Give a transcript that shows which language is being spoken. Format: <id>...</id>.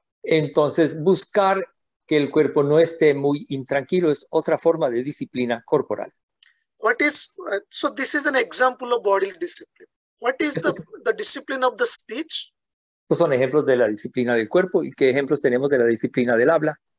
<es>Entonces, buscar que el cuerpo no esté muy intranquilo es otra forma de disciplina corporal.</es> <en>So this is an example of bodily discipline. What is the discipline of the speech?</en> <es>Estos son ejemplos de la disciplina del cuerpo. ¿Y qué ejemplos tenemos de la disciplina del habla?</es>